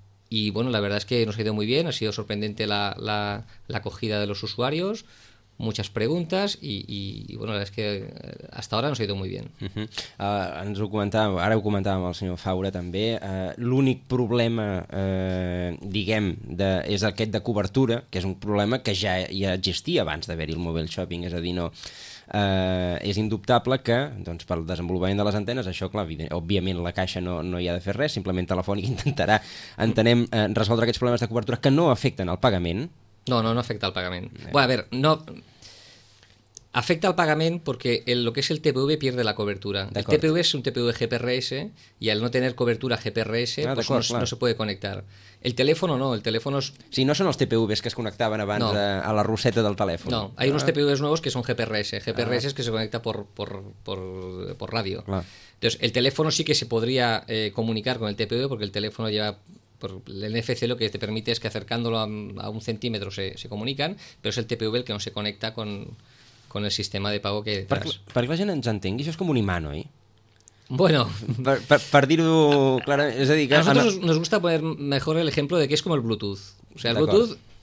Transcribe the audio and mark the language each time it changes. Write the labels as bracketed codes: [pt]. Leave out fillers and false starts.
[es] Y bueno, la verdad es que nos ha ido muy bien, ha sido sorprendente la acogida de los usuarios, muchas preguntas y bueno, la verdad es que hasta ahora nos ha ido muy bien. Uh-huh. [ca] Ens ho comentàvem, ara ho comentàvem el senyor Faura també, l'únic problema, diguem, és aquest de cobertura, que és un problema que ja existia abans d'haver-hi el Mobile Shopping, és a dir, no... és indubtable que, doncs, pel desenvolupament de les antenes, això, clar, òbviament la Caixa no hi ha de fer res, simplement Telefònica intentarà, entenem, resoldre aquests problemes de cobertura que no afecten el pagament. No afecta el pagament. Bueno, [es] a ver, [ca] no... Afecta el pagament perquè lo que és el TPV pierde la cobertura. El TPV és un TPV GPRS i al no tenir cobertura GPRS [es] no se puede [ca] connectar. El telèfon no, el telèfon és... Sí, no són els TPVs que es connectaven abans a la roseta del telèfon. [es] No, hay unos TPVs nuevos que son GPRS. GPRS es que se conecta por radio. Entonces, el telèfon sí que se podría comunicar con el TPV porque el telèfon lleva... Por el NFC lo que te permite es que acercándolo a un centímetro se comunican, pero es el TPV el que no se conecta con el sistema de pago que hay detrás. [ca] Perquè la gent ens entengui, això és com un imant, oi? Bueno. Per dir-ho clarament, és a dir... [es] A nosotros nos gusta poner mejor el ejemplo de que es como el Bluetooth. O sea, el Bluetooth...